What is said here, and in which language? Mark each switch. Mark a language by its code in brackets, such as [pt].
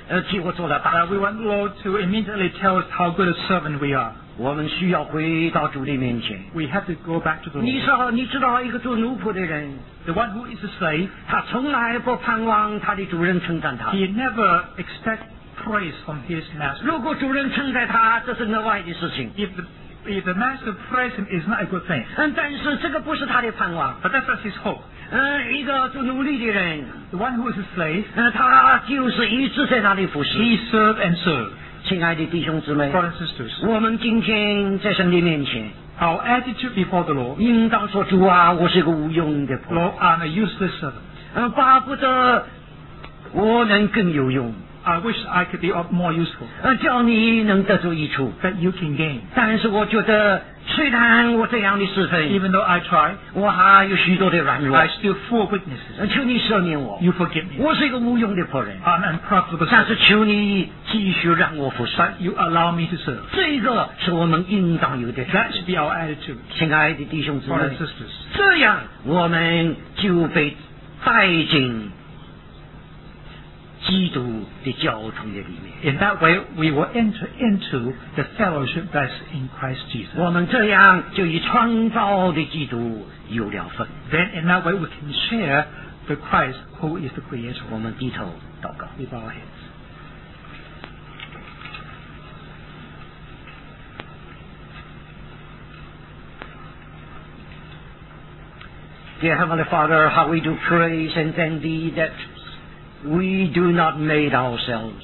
[en] we want the Lord to immediately tell us how good a servant we are. [zh] 我们需要回到主的面前, [en] we have to go back to the Lord. [zh] 你知道一个做奴仆的人, [en] The one who is a slave, [zh] 他从来不盼望他的主人称赞他。 [en] He never expect praise from his master. [zh] 如果主人称赞他，这是额外的事情。 [en] If the master praises him, it's not a good thing. [zh] 但是这个不是他的盼望。 [en] But that's not his hope. [zh] 一个做奴隶的人。 [en] The one who is a slave, [zh] 他就是一直在那里服侍。 [en] He serve and serve. [zh] 亲爱的弟兄姊妹 [en] Brothers and sisters, [zh] 我们今天在神的面前 [en] Our attitude before the Lord [zh] 应当说主啊我是个无用的 [en] Lord I'm a useless servant [zh] 巴不得我能更有用 [en] I wish I could be more useful [zh] 叫你能得到益处 [en] That you can gain [zh] 但是我觉得虽然我这样的是非 [en] Even though I try [zh] 我还有许多的软弱 [en] I still full of weaknesses [zh] 求你赦免我 [en] You forgive me [zh] 我是一个无用的仆人 [en] I'm unprofitable [zh] 但是求你继续让我服侍 [en] But you allow me to serve [zh] 这个是我们应当有的 [en] That should be our attitude [zh] 亲爱的弟兄姊妹 [en] Brothers and sisters [zh] 这样我们就被带进基督的教堂的里面 [en] In that way we will enter into the fellowship that's in Christ Jesus [zh] 我们这样就与创造的基督有了份 [en] Then in that way we can share the Christ who is the creator [zh] 我们低头祷告 [en] We bow our heads Dear Heavenly Father how we do praise and thank thee thatWe do not made ourselves.